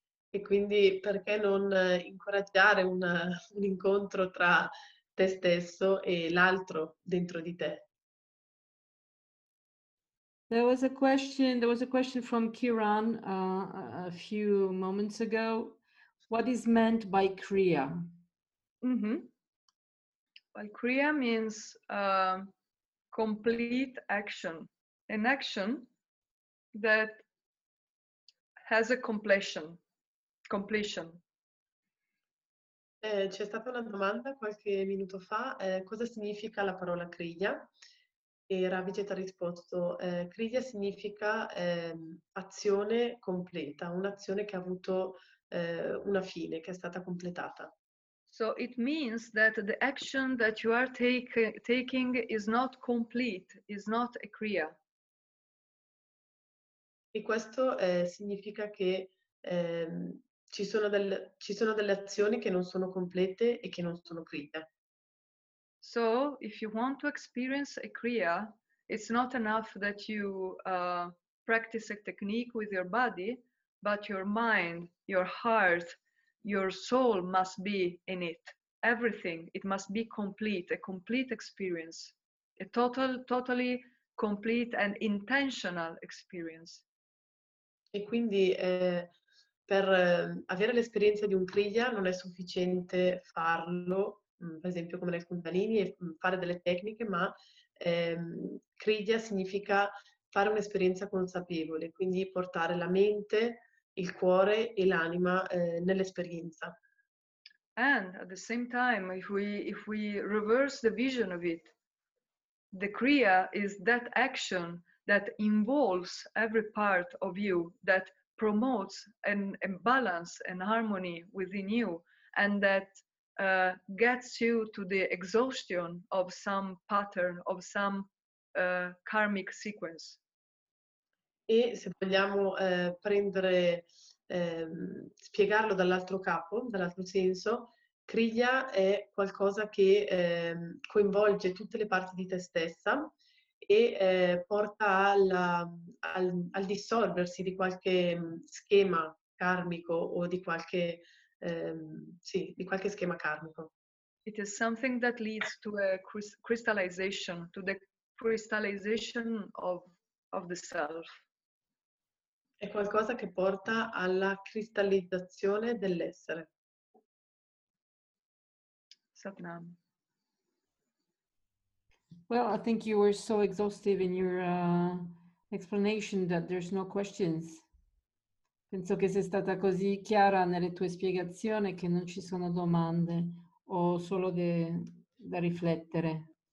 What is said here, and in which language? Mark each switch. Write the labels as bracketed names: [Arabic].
[Italian] E quindi perché non incoraggiare un incontro tra te stesso e l'altro dentro di te? [English] There was a question from Kiran a few moments ago. What is meant by Kriya? Mm-hmm. Well, Kriya means complete action, an action that has a completion. [Italian] C'è stata una domanda qualche minuto fa, cosa significa la parola Kriya? E Ravijit ha risposto, Kriya significa azione completa, un'azione che ha avuto una fine, che è stata completata. [English] So it means that the action that you are taking is not complete, is not a Kriya. [Italian] E questo significa che ci sono delle azioni che non sono complete e che non sono Kriya. [English] So, if you want to experience a Kriya, it's not enough that you practice a technique with your body, but your mind, your heart, your soul must be in it. Everything, it must be complete, a complete experience, a totally complete and intentional experience. [Italian] E quindi per avere l'esperienza di un Kriya non è sufficiente farlo, per esempio come nel Kundalini, e fare delle tecniche, ma Kriya significa fare un'esperienza consapevole, quindi portare la mente, il cuore e l'anima nell'esperienza. [English] And at the same time, if we reverse the vision of it, the Kriya is that action that involves every part of you, that promotes a balance and harmony within you, and that gets you to the exhaustion of some pattern, of some karmic sequence. [Italian] E se vogliamo prendere, spiegarlo dall'altro capo, dall'altro senso, Kriya è qualcosa che coinvolge tutte le parti di te stessa e porta al dissolversi di qualche schema karmico o di qualche di qualche schema karmico. [English] It is something that leads to a crystallization, to the crystallization of the self. [Italian] È qualcosa che porta alla cristallizzazione dell'essere. Satnam. [English] Well, I think you were so exhaustive in your explanation that there's no questions. [Italian] Penso che sei stata così chiara nelle tue spiegazioni che non ci sono domande o solo da riflettere.